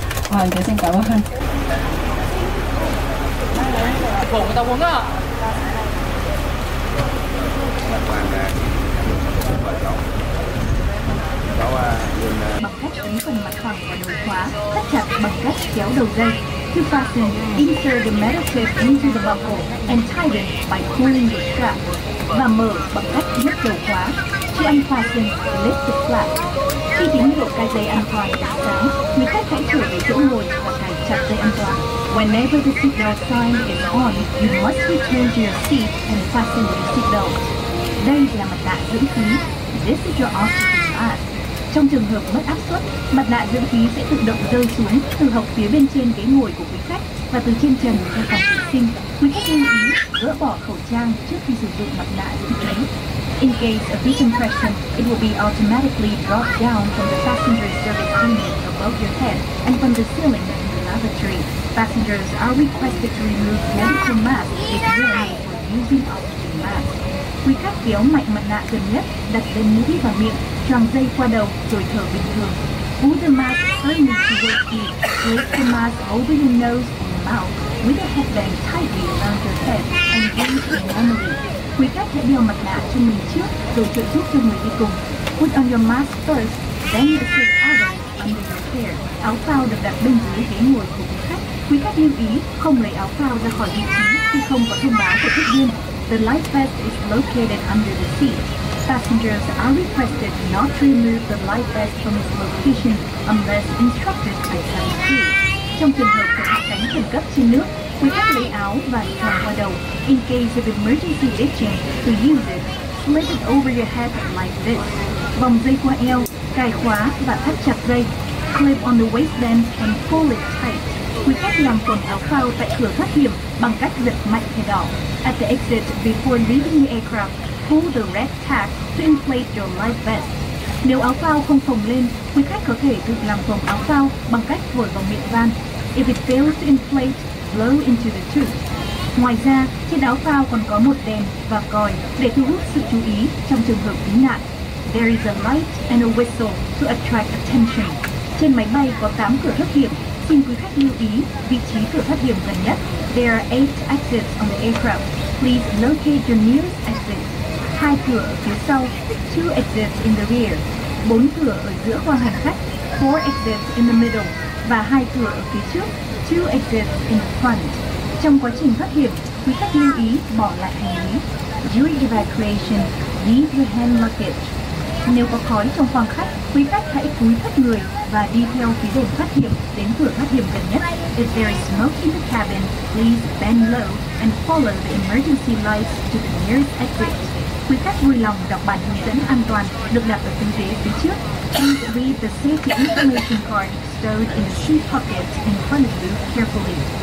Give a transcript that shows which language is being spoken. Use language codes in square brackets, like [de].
[vi] Vâng, cháu xin cảm ơn. Phục vụ người ta uống ạ. Bằng cách ấn phần mặt phẳng và đầu khóa thắt chặt bằng cách kéo đầu dây. [en] To fasten, insert the metal clip into the buckle and tighten by pulling the strap. [vi] Và mở bằng cách nhấc đầu khóa. [en] To unfasten, lift the flap. [vi] Khi tín hiệu cài dây an toàn đã sáng, người khách hãy trở về chỗ ngồi và cài chặt dây an toàn. [en] Whenever the seatbelt sign is on, you must return to your seat and fasten your seatbelt. [vi] Đây là mặt nạ dưỡng khí. [en] This is your oxygen mask. [vi] Trong trường hợp mất áp suất, mặt nạ dưỡng khí sẽ tự động rơi xuống từ hộc phía bên trên ghế ngồi của quý khách và từ trên trần ra phòng vệ sinh. Quý khách lưu ý gỡ bỏ khẩu trang trước khi sử dụng mặt nạ dưỡng khí. [en] In case of decompression, it will be automatically dropped down from the passenger service unit above your head and from the ceiling in the lavatory. Passengers are requested to remove medical masks if you are using oxygen mask. [vi] Quý khách kéo mạnh mặt nạ gần nhất, đặt lên mũi và miệng, choàng dây qua đầu rồi thở bình thường. [en] Pull the mask firmly towards you. Place the mask over your nose and mouth with a headband tightly around your head and breathe normally. [vi] Quý khách hãy đeo mặt nạ cho mình trước rồi trợ giúp cho người đi cùng. [en] Put on your mask first, then the face cover under your chair. [vi] Áo phao được đặt bên dưới ghế ngồi của quý khách. Quý khách lưu ý không lấy áo phao ra khỏi vị trí khi không có thông báo của tiếp viên. [en] The life vest is located under the seat. Passengers are requested not to remove the life vest from its location unless instructed by cabin crew. [vi] Trong trường hợp phải hạ cánh khẩn cấp trên nước, quý khách lấy áo và choàng qua đầu. [en] In case of emergency ditching, to use it, slip it over your head like this. [vi] Vòng dây qua eo, cài khóa và thắt chặt dây. [en] Clip on the waistband and pull it tight. [vi] Quý khách làm quần áo phao tại cửa thoát hiểm bằng cách giật mạnh thẻ đỏ. [en] At the exit, before leaving the aircraft, pull the red tag to inflate your life vest. [vi] Nếu áo phao không phồng lên, quý khách có thể tự làm phồng áo phao bằng cách thổi vào miệng van. [en] If it fails to inflate, blow into the tube. [vi] Ngoài ra, trên áo phao còn có một đèn và còi để thu hút sự chú ý trong trường hợp cứu nạn. [en] There is a light and a whistle to attract attention. [vi] Trên máy bay có 8 cửa thoát hiểm. Xin quý khách lưu ý vị trí cửa thoát hiểm gần nhất. There are 8 exits on the aircraft. Please locate your nearest exit. 2 cửa ở phía sau. [en] 2 exits in the rear. [vi] 4 cửa ở giữa khoang hành khách. [en] 4 exits in the middle. [vi] Và 2 cửa ở phía trước. [en] 2 exits in the front. [vi] Trong quá trình thoát hiểm, quý khách lưu ý bỏ lại hành lý. [en] During evacuation, leave your hand luggage. [vi] Nếu có khói trong khoang khách, quý khách hãy cúi thấp người và đi theo phía đường thoát hiểm đến cửa thoát hiểm gần nhất. [en] If there is smoke in the cabin, please bend low and follow the emergency lights to the nearest exit. [vi] Quý khách vui lòng đọc bản hướng dẫn an toàn được đặt ở phía ghế phía trước. [en] Please read the safety information card stowed in the seat pocket in front of you carefully.